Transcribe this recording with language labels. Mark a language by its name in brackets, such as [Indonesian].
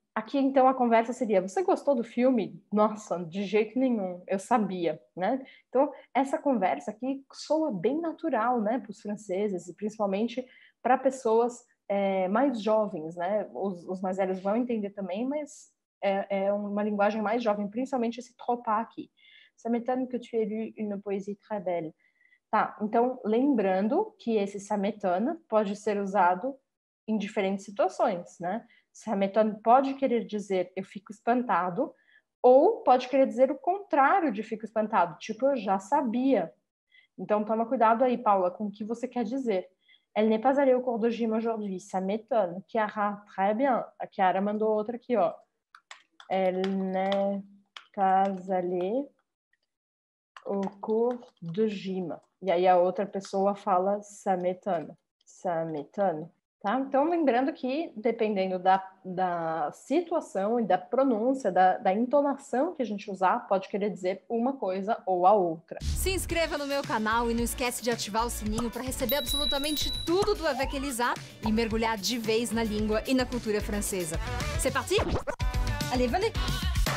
[Portuguese] Aqui, então, a conversa seria: você gostou do filme? Nossa, de jeito nenhum, eu sabia, né? Então, essa conversa aqui soa bem natural, né, para os franceses, e principalmente para pessoas mais jovens, né? Os mais velhos vão entender também, mas é uma linguagem mais jovem, principalmente esse tropa aqui. [French] Ça m'étonne que tu aies lu une poésie très belle. [Portuguese] Tá, então, lembrando que esse [French] ça m'étonne [Portuguese] pode ser usado em diferentes situações, né? [French] Ça m'étonne [Portuguese] pode querer dizer eu fico espantado, ou pode querer dizer o contrário de fico espantado, tipo eu já sabia. Então toma cuidado aí, Paula, com o que você quer dizer. [French] Elle n'est pas allée au cours de gym aujourd'hui. Ça m'étonne. Chiara, très bien. [Portuguese] A Chiara mandou outra aqui, ó. [French] Elle n'est pas allée au cours de gym. [Portuguese] E aí a outra pessoa fala [French] ça m'étonne. Ça m'étonne. [Portuguese] Tá? Então, lembrando que, dependendo da situação e da pronúncia, da entonação que a gente usar, pode querer dizer uma coisa ou a outra. Se inscreva no meu canal e não esquece de ativar o sininho para receber absolutamente tudo do Avec Elisa e mergulhar de vez na língua e na cultura francesa. [French] C'est parti? Allez, venez!